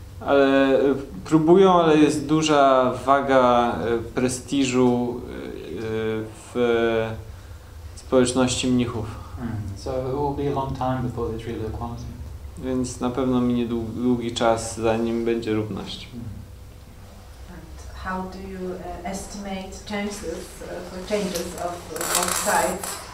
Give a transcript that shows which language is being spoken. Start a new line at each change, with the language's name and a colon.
Polish: Ale próbują, ale jest duża waga prestiżu w społeczności mnichów.
English: So it will be a long time before there's real equality.
Polish: Więc na pewno minie długi czas, zanim będzie równość.
English: How do you estimate chances for changes of both sides?